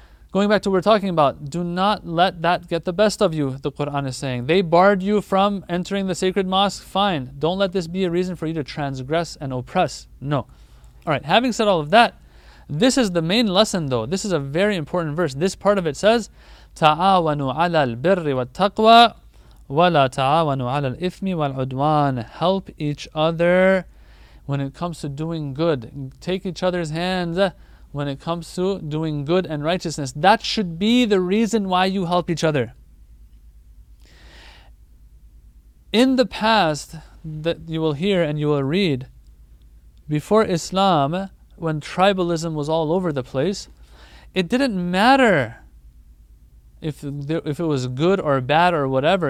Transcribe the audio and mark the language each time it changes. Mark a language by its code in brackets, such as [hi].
[en] Going back to what we're talking about, do not let that get the best of you, the Quran is saying. They barred you from entering the sacred mosque, fine. Don't let this be a reason for you to transgress and oppress. No. Alright, having said all of that, this is the main lesson though. This is a very important verse. This part of it says, [ar] تَعَاوَنُوا عَلَى الْبِرِّ وَالتَّقْوَى وَلَا تَعَاوَنُوا عَلَى الْإِثْمِ وَالْعُدْوَانِ. [en] Help each other when it comes to doing good. Take each other's hands when it comes to doing good and righteousness. That should be the reason why you help each other. In the past, that you will hear and you will read, before Islam, when tribalism was all over the place, it didn't matter if it was good or bad or whatever.